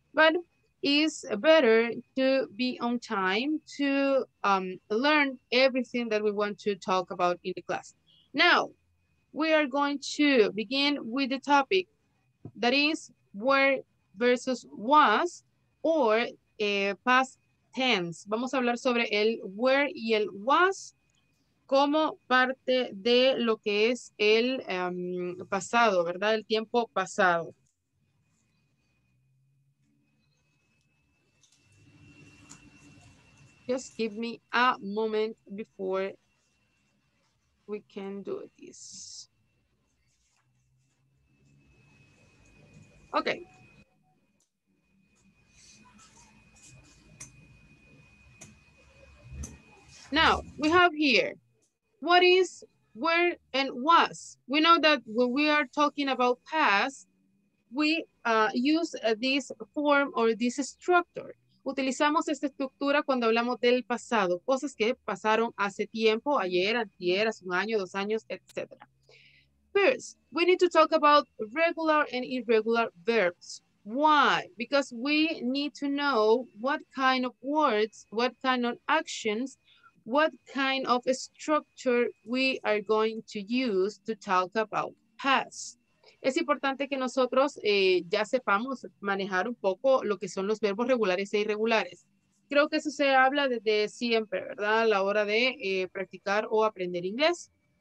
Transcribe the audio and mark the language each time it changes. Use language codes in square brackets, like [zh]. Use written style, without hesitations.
[en] But it's better to be on time to learn everything that we want to talk about in the class. Now, we are going to begin with the topic. That is, were versus was, or past tense. [es] Vamos a hablar sobre el were y el was como parte de lo que es el pasado, ¿verdad? El tiempo pasado. [en] Just give me a moment before we can do this. Okay. Now, we have here, what is, where, and was. We know that when we are talking about past, we use this form or this structure. [es] Utilizamos esta estructura cuando hablamos del pasado, cosas que pasaron hace tiempo, ayer, antier, hace un año, dos años, etc. [en] First, we need to talk about regular and irregular verbs. Why? Because we need to know what kind of words, what kind of actions, what kind of structure we are going to use to talk about past. [es] Es importante que nosotros ya sepamos manejar un poco lo que son los verbos regulares e irregulares. Creo que eso se habla desde siempre, ¿verdad? A la hora de practicar o aprender inglés.